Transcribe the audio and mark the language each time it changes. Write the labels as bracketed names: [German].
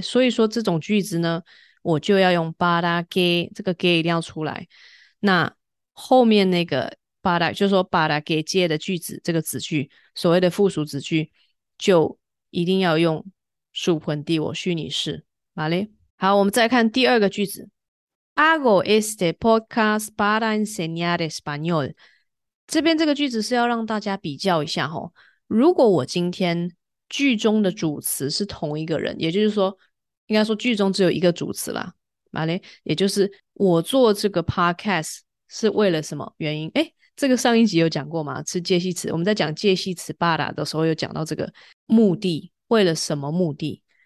[Chinese] 所以说这种句子呢，我就要用 para que 这个 que 一定要出来。那后面那个 para 就是说 para que 接的句子，这个子句所谓的附属子句，就一定要用 subjuntivo 虚拟式，嘛嘞？好，我们再看第二个句子， [Spanish] Hago este podcast para enseñar español。 [Chinese] 这边这个句子是要让大家比较一下哦，如果我今天句中的主词是同一个人，也就是说，应该说句中只有一个主词啦，马嘞，也就是我做这个 podcast 是为了什么原因？诶，这个上一集有讲过吗？是介系词。我们在讲介系词 para 的时候有讲到这个目的，为了什么目的？